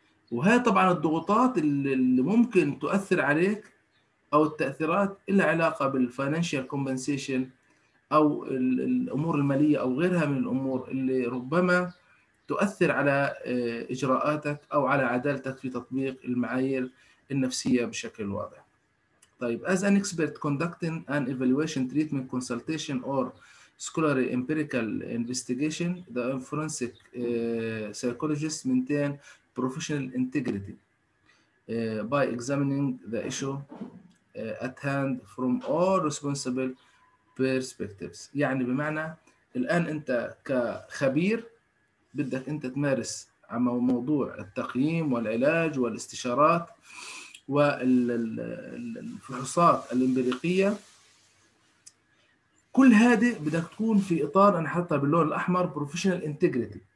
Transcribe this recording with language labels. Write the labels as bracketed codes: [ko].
[ar] وهي طبعا الضغوطات اللي ممكن تؤثر عليك او التاثيرات لها علاقه بالفاينانشال كومبنسيشن او الامور الماليه او غيرها من الامور اللي ربما تؤثر على اجراءاتك او على عدالتك في تطبيق المعايير النفسيه بشكل واضح. [en] طيب as an expert conducting an evaluation treatment consultation or scholarly empirical investigation the forensic psychologist maintain professional integrity by examining the issue at hand from all responsible perspectives. [ar] يعني بمعنى الآن أنت كخبير بدك أنت تمارس عم موضوع التقييم والعلاج والاستشارات والفحوصات الإمبريقية، كل هذا بدك تكون في إطار أنا حاطها باللون الأحمر [en] professional integrity.